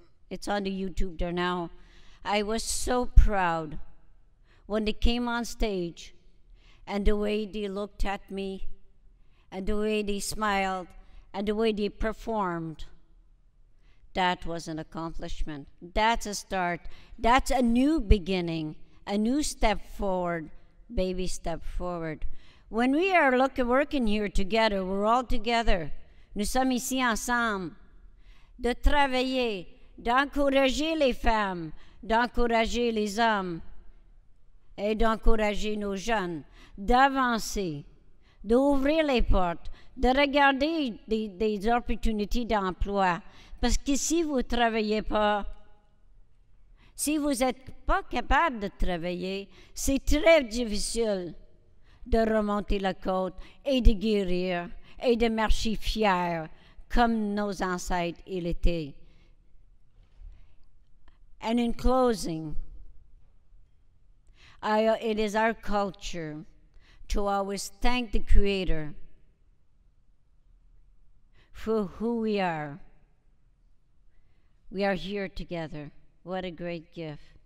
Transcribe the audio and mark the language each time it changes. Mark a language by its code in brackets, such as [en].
[en] It's on the YouTube there now. I was so proud when they came on stage, and the way they looked at me, and the way they smiled, and the way they performed, that was an accomplishment. That's a start. That's a new beginning, a new step forward, baby step forward. When we are working here together, we're all together. [fr] Nous sommes ici ensemble. De travailler, d'encourager les femmes, d'encourager les hommes, et d'encourager nos jeunes, d'avancer, d'ouvrir les portes, de regarder des opportunités d'emploi. Parce que si vous ne travaillez pas, si vous n'êtes pas capable de travailler, c'est très difficile de remonter la côte et de guérir et de marcher fier comme nos ancêtres ils étaient. [en] And in closing, it is our culture to always thank the Creator for who we are. We are here together. What a great gift.